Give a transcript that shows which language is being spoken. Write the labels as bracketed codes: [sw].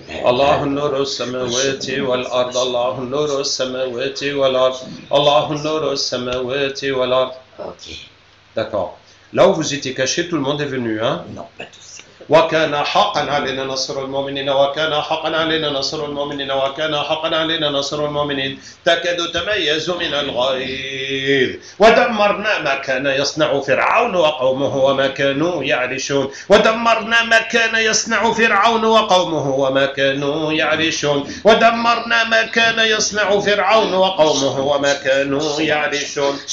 [ar] الله النور السماوات والأرض الله النور السماوات والأرض الله النور السماوات والأرض. [fr] Okay. D'accord. Là où vous étiez caché, tout le monde est venu, hein? Non, pas tous. [ar] وكان حقا علينا نصر المؤمنين وكان حقا علينا نصر المؤمنين وكان حقا علينا نصر المؤمنين تكاد تميز من الغيظ ودمرنا ما كان يصنع فرعون وقومه وما كانوا يعرشون ودمرنا ما كان يصنع فرعون وقومه وما كانوا يعرشون ودمرنا ما كان يصنع فرعون وقومه وما كانوا يعرشون